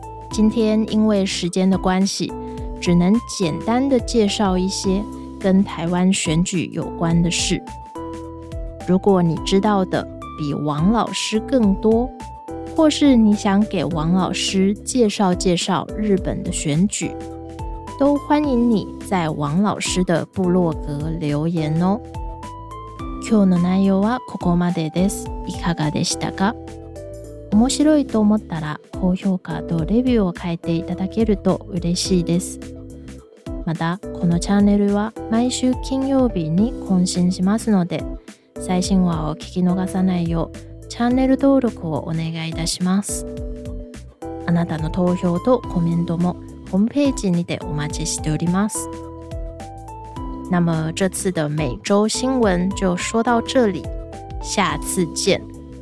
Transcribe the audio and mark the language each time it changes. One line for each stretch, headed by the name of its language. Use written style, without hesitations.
Chinese: 今天因为时间的关系，只能简单的介绍一些跟台湾选举有关的事。如果你知道的比王老师更多，或是你想给王老师介绍介绍日本的选举，都欢迎你在王老师的部落格留言哦。
Japanese: 今日の内容はここまでです。いかがでしたか？面白いと思ったら高評価とレビューを書いていただけると嬉しいです。またこのチャンネルは毎週金曜日に更新しますので、最新話を聞き逃さないようチャンネル登録をお願いいたします。あなたの投票とコメントもホームページにてお待ちしております。
Chinese: 那么这次的每周新闻就说到这里，下次见。